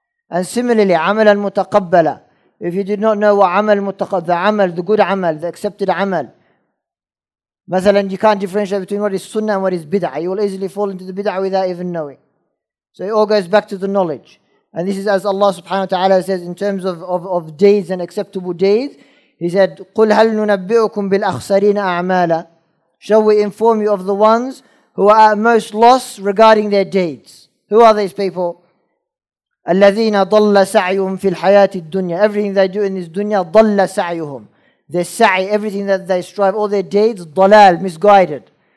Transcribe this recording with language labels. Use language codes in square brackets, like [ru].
[en] And similarly, amal al-mutaqabbala. If you did not know what amal mutaqabbala, the good amal, the accepted amal, مثلاً, you can't differentiate between what is sunnah and what is bid'ah. You will easily fall into the bid'ah without even knowing. So it all goes back to the knowledge. And this is as Allah subhanahu wa ta'ala says in terms of deeds and acceptable deeds. He said, [ar] قُلْ هَلْ نُنَبِّئُكُمْ بِالْأَخْسَرِينَ أَعْمَالًا. [en] Shall we inform you of the ones who are at most lost regarding their deeds? Who are these people? [ar] الَّذِينَ ضَلَّ سَعْيُهُمْ فِي الْحَيَاةِ الدُّنْيَا. [en] Everything they do in this dunya, [ar] ضَلَّ سَعْيُهُمْ. [en] Their sa'i, everything that they strive, all their deeds, dalal, misguided.